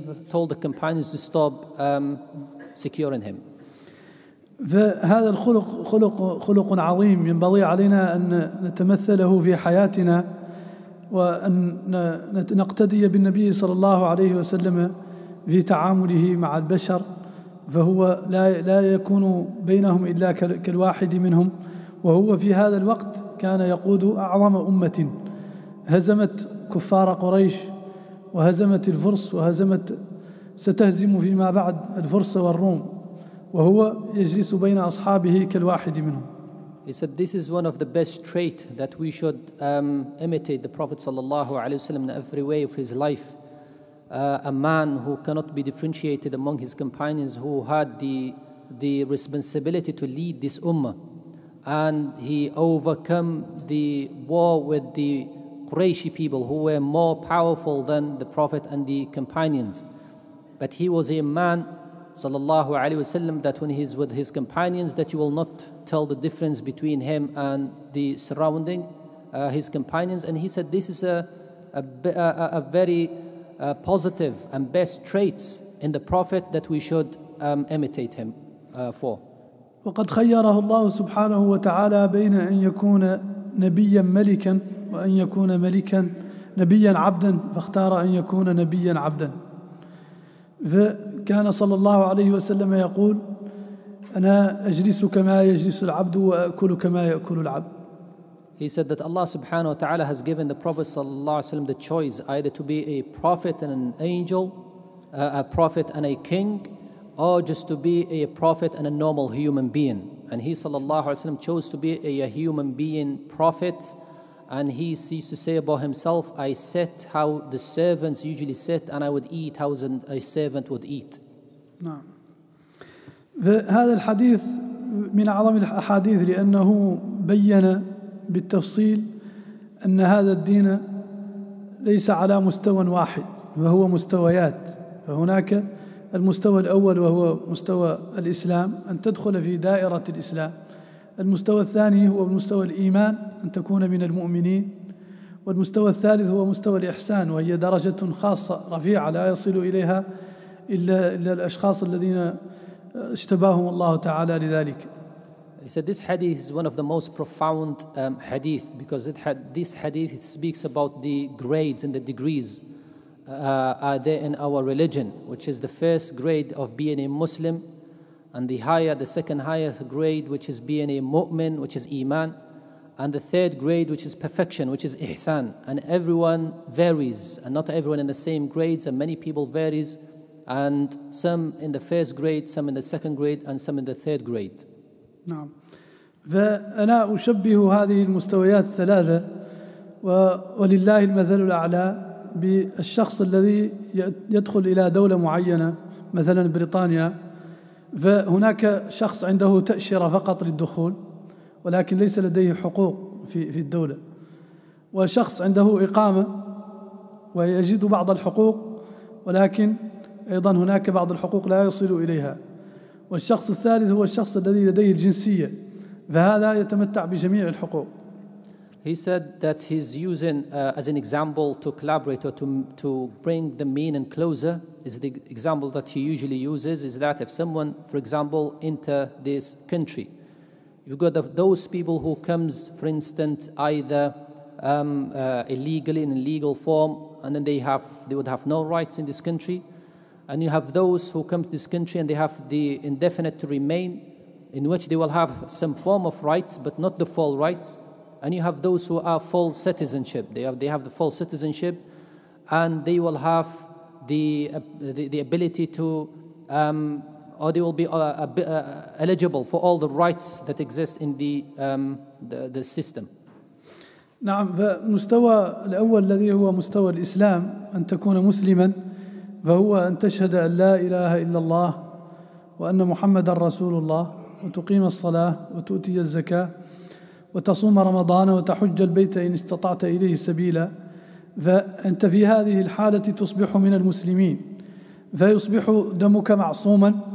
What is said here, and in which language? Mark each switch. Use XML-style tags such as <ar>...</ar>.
<en>told the companions to stop securing him.</en> <ar>فهذا الخلق خلق عظيم ينبغي علينا أن نتمثله في حياتنا وأن نقتدي بالنبي صلى الله عليه وسلم في تعامله مع البشر، فهو لا يكون بينهم إلا كالواحد منهم. وهو في هذا الوقت كان يقود أعظم أمة هزمت كفار قريش وهزمت الفرس وهزمت ستهزم فيما بعد الفرس والروم، وهو يجلس بين أصحابه كالواحد منهم.</ar> <en>He said this is one of the best traits that we should imitate the Prophet</en> <ar>صلى الله عليه وسلم</ar> <en>in every way of his life. A man who cannot be differentiated among his companions, who had the responsibility to lead this ummah, and he overcome the war with the Quraishi people who were more powerful than the Prophet and the companions. But he was a man</en> <ar>sallallahu alaihi wasallam</ar> <en>that when he's with his companions that you will not tell the difference between him and the surrounding his companions. And he said this is a very positive and best traits in the Prophet that we should imitate him for.</en> <ar>وقد خيره الله سبحانه وتعالى بين أن يكون نبيا ملكا وأن يكون ملكا نبيا عبدا، فاختار أن يكون نبيا عبدا. فكان صلى الله عليه وسلم يقول أنا أجلس كما يجلس العبد وأكل كما يأكل العبد.</ar> <en>He said that Allah</en> <ar>subhanahu wa ta'ala</ar> <en>has given the Prophet</en> <ar>sallallahu alaihi wasallam</ar> <en>the choice either to be a prophet and an angel, a prophet and a king, or just to be a prophet and a normal human being. And he</en> <ar>sallallahu alaihi wasallam</ar> <en>chose to be a human being prophet, and he ceased to say about himself, I sit how the servants usually sit and I would eat how a servant would eat.</en> <ar>هذا الحديث من أعظم الأحاديث لأنه بيّن بالتفصيل أن هذا الدين ليس على مستوى واحد، فهو مستويات. فهناك المستوى الأول وهو مستوى الإسلام، أن تدخل في دائرة الإسلام. المستوى الثاني هو مستوى الإيمان، أن تكون من المؤمنين. والمستوى الثالث هو مستوى الإحسان، وهي درجة خاصة رفيعة لا يصل إليها إلا الأشخاص الذين اجتباهم الله تعالى لذلك.</ar> <en>He said this hadith is one of the most profound hadith because this hadith it speaks about the grades and the degrees are there in our religion, which is the first grade of being a Muslim, and the second highest grade, which is being a mu'min, which is iman, and the third grade, which is perfection, which is ihsan. And everyone varies, and not everyone in the same grades, and many people varies, and some in the first grade, some in the second grade, and some in the third grade.</en> <ar>نعم، فأنا أشبه هذه المستويات الثلاثة ولله المثل الأعلى بالشخص الذي يدخل إلى دولة معينة مثلا بريطانيا، فهناك شخص عنده تأشيرة فقط للدخول ولكن ليس لديه حقوق في الدولة، وشخص عنده إقامة ويجد بعض الحقوق ولكن أيضا هناك بعض الحقوق لا يصل إليها، والشخص الثالث هو الشخص الذي لديه الجنسية فهذا يتمتع بجميع الحقوق.</ar> <en>He said that he's using as an example to collaborate or to bring the meaning closer is the example that he usually uses is that if someone, for example, enter this country, you've got those people who comes, for instance, either illegally in legal form and then they would have no rights in this country. And you have those who come to this country and they have the indefinite to remain, in which they will have some form of rights, but not the full rights. And you have those who are full citizenship. They have the full citizenship and they will have the ability to or they will be eligible for all the rights that exist in the system.</en> <ar>نعم فمستوى الأول الذي هو مستوى الإسلام أن تكون مسلما فهو أن تشهد أن لا إله إلا الله وأن محمد رسول الله وتقيم الصلاة وتؤتي الزكاة وتصوم رمضان وتحج البيت إن استطعت إليه سبيلا فأنت في هذه الحالة تصبح من المسلمين فيصبح دمك معصوما</ar>